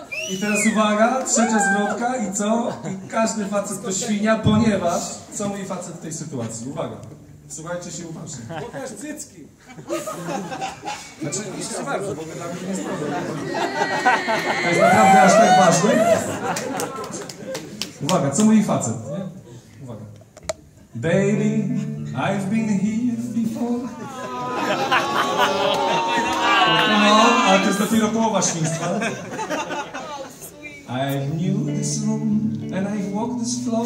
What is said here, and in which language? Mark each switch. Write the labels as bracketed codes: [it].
[pl] I teraz uwaga, trzecia zwrotka i co? I każdy facet to świnia, ponieważ co mówi facet w tej sytuacji? Uwaga, słuchajcie się uważnie. Pokaż cycki. Znaczy, nie się bardzo, bo wydam się niezdrowy. To jest naprawdę aż tak ważne? Uwaga, co mówi facet? Uwaga. [en] Baby, I've been here before. [pl] No, ale to jest dopiero połowa świństwa. [en] I knew this room and I walked this floor.